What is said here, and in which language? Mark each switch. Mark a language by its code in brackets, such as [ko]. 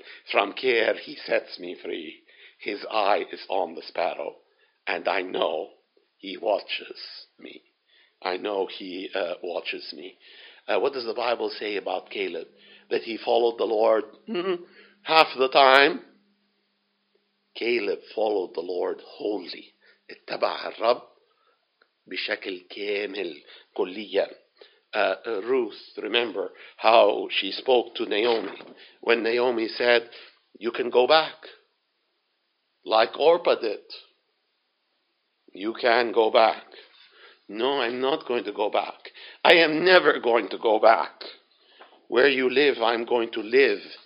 [en] From care He sets me free, His eye is on the sparrow. And I know he watches me. I know he watches me. What does the Bible say about Caleb? That he followed the Lord half the time. Caleb followed the Lord wholly. [ar] اتبع الرب بشكل كامل كليا. [en] Ruth, remember how she spoke to Naomi. When Naomi said, you can go back. Like Orpah did. you can go back. No, I'm not going to go back. I am never going to go back. Where you live, I'm going to live.